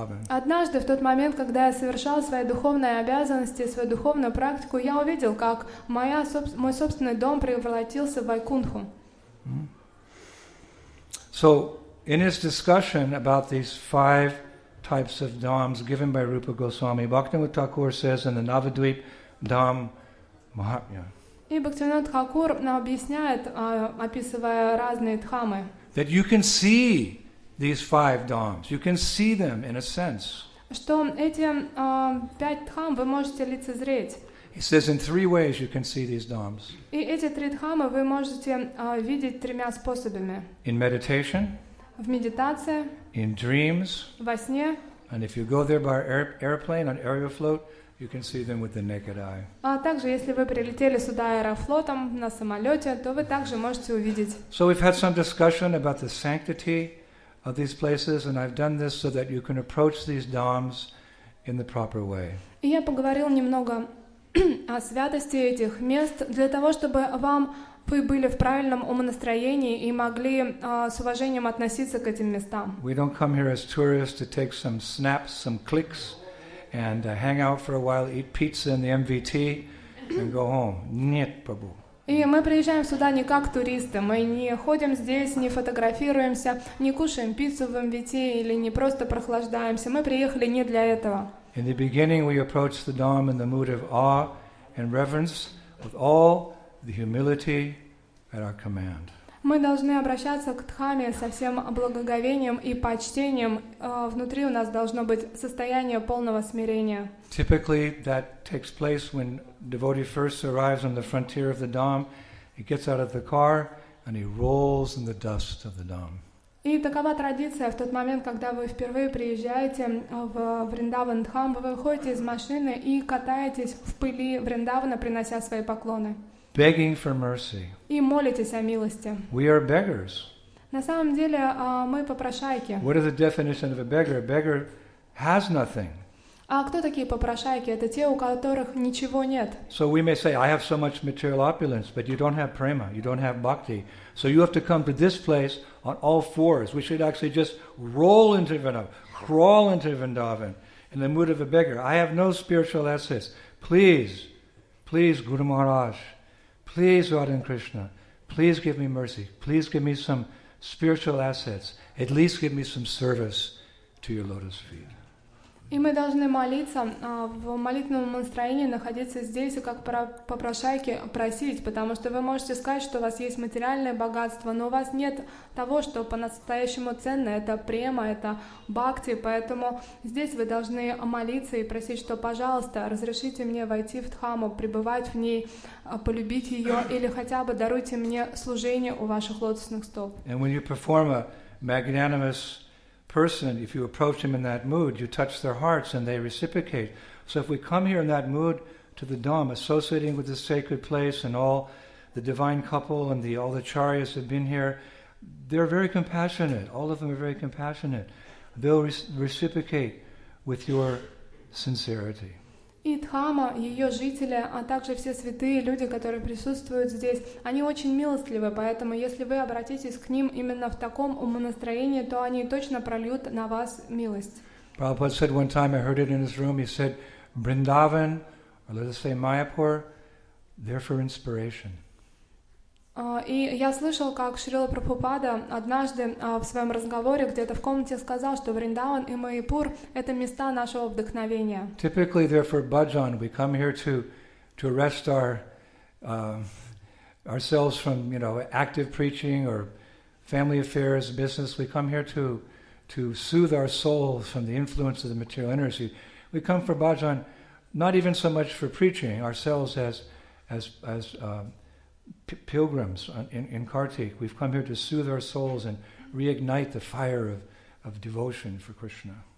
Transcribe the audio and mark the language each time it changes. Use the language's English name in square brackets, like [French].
[Russian] Однажды, в тот момент, когда я совершал свои духовные обязанности, свою духовную практику, я увидел, как мой собственный дом превратился в Вайкунху. [English] So, in his discussion about these five types of dhams given by Rupa Goswami, Bhaktivinoda Thakur says in the Navadvip Dham Mahatmya. [Russian] И Бхактивинода Тхакур объясняет, описывая разные дхамы. [English] That you can see these five dhams. You can see them in a sense. [Russian] Что эти пять дхам вы можете лицезреть. [English] He says in three ways you can see these dhams. [Russian] И эти три дхамы вы можете видеть тремя способами. [English] In meditation. [Russian] В медитации. [English] In dreams. [Russian] Во сне. [English] And if you go there by airplane on Aeroflot, you can see them with the naked eye. [Russian] А также, если вы прилетели сюда Аэрофлотом на самолете, то вы также можете увидеть. [English] So we've had some discussion about the sanctity of these places, and I've done this so that you can approach these dhams in the proper way. [Russian] И я поговорил немного о святости этих мест для того, чтобы вы были в правильном умонастроении и могли с уважением относиться к этим местам. [English] We don't come here as tourists to take some snaps, some clicks, and hang out for a while, eat pizza in the MVT, and go home. [Russian] Нет, Прабху. И мы приезжаем сюда не как туристы, мы не ходим здесь, не фотографируемся, не кушаем пиццу в МВТ или не просто прохлаждаемся. Мы приехали не для этого. [English] In the beginning we approach the Dharma in the mood of awe and reverence with all the humility at our command. [Russian] Мы должны обращаться к Дхаме со всем благоговением и почтением. Внутри у нас должно быть состояние полного смирения. [English] Typically that takes place when devotee first arrives on the frontier of the Dham. He gets out of the car and he rolls in the dust of the Dham. [Russian] И такова традиция в тот момент, когда вы впервые приезжаете в Вриндаван Дхам, вы выходите из машины и катаетесь в пыли Вриндавана, принося свои поклоны. [English] Begging for mercy. [Russian] И молитесь о милости. [English] We are beggars. [Russian] На самом деле, мы попрошайки. [English] What is the definition of a beggar? A beggar has nothing. [Russian] А кто такие попрошайки? Это те, у которых ничего нет. [English] So we may say, I have so much material opulence, but you don't have prema, you don't have bhakti. So you have to come to this place on all fours. We should actually just roll into Vrindavan, crawl into Vrindavan in the mood of a beggar. I have no spiritual assets. Please, please, Guru Maharaj, please, Radha and Krishna, please give me mercy. Please give me some spiritual assets. At least give me some service to your lotus feet. [Russian] И мы должны молиться в молитвенном настроении, находиться здесь и как попрошайки просить, потому что вы можете сказать, что у вас есть материальное богатство, но у вас нет того, что по-настоящему ценно, это према, это бхакти, поэтому здесь вы должны молиться и просить, что, пожалуйста, разрешите мне войти в Дхаму, пребывать в ней, полюбить ее или хотя бы даруйте мне служение у ваших лотосных стоп. [English] And when you perform a magnanimous person, if you approach him in that mood, you touch their hearts and they reciprocate. So if we come here in that mood to the Dham, associating with the sacred place and all the divine couple and all the acharyas have been here, they're very compassionate. All of them are very compassionate. They'll reciprocate with your sincerity. [Russian] И Дхама, ее жители, а также все святые люди, которые присутствуют здесь, они очень милостливы, поэтому если вы обратитесь к ним именно в таком умонастроении, то они точно прольют на вас милость. [English] Prabhupada said one time, I heard it in his room, he said, Vrindavan, or let us say Mayapur, they're for inspiration. [Russian] И я слышал, как Шрила Прабхупада однажды в своем разговоре где-то в комнате сказал, что Вриндаван и Майпур — это места нашего вдохновения. [English] Typically, they're for bhajan. We come here to rest ourselves from, you know, active preaching or family affairs, business. We come here to soothe our souls from the influence of the material energy. We come for bhajan, not even so much for preaching ourselves as pilgrims in Kartik, we've come here to soothe our souls and reignite the fire of devotion for Krishna.